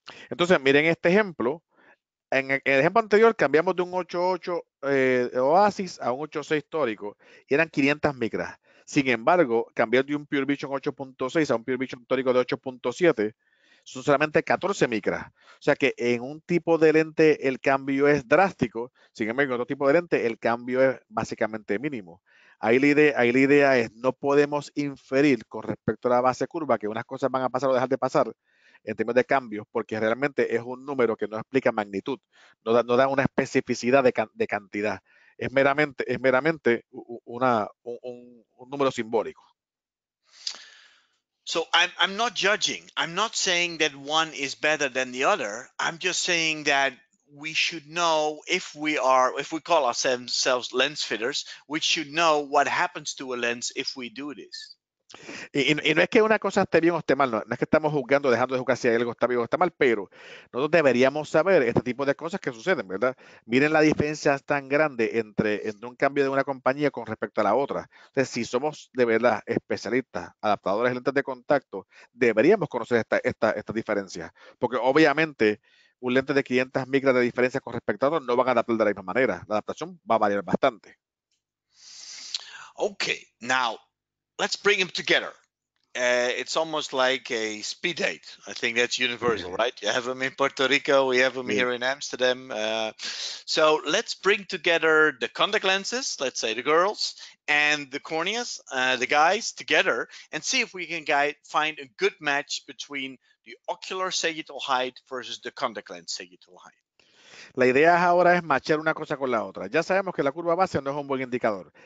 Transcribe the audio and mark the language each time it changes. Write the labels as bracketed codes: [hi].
[es] Entonces, miren este ejemplo. En el ejemplo anterior, cambiamos de un 8.8 Oasis a un 8.6 tórico y eran 500 micras. Sin embargo, cambiar de un Pure Vision 8.6 a un Pure Vision tórico de 8.7 son solamente 14 micras. O sea que en un tipo de lente el cambio es drástico, sin embargo, en otro tipo de lente el cambio es básicamente mínimo. Ahí la idea es, no podemos inferir con respecto a la base curva que unas cosas van a pasar o dejar de pasar en términos de cambios, porque realmente es un número que no explica magnitud, no da una especificidad de cantidad. Es meramente un número simbólico. [en] So I'm not judging. I'm not saying that one is better than the other. I'm just saying that we should know if we call ourselves lens fitters, we should know what happens to a lens if we do this. [es] Y no es que una cosa esté bien o esté mal, no es que estamos juzgando, dejando de juzgar si algo está bien o está mal, pero nosotros deberíamos saber este tipo de cosas que suceden, ¿verdad? Miren la diferencia tan grande entre un cambio de una compañía con respecto a la otra. Entonces, si somos de verdad especialistas, adaptadores de lentes de contacto, deberíamos conocer esta diferencia, porque obviamente un lente de 500 micras de diferencia con respecto a otro no van a adaptar de la misma manera. La adaptación va a variar bastante. [en] Okay, now let's bring them together. It's almost like a speed date. I think that's universal, right? You have them in Puerto Rico, we have them here in Amsterdam. So let's bring together the contact lenses, let's say the girls, and the corneas, the guys, together, and see if we can find a good match between the ocular sagittal height versus the contact lens sagittal height. [es] La idea ahora es machear una cosa con la otra. Ya sabemos que la curva base no es un buen indicador.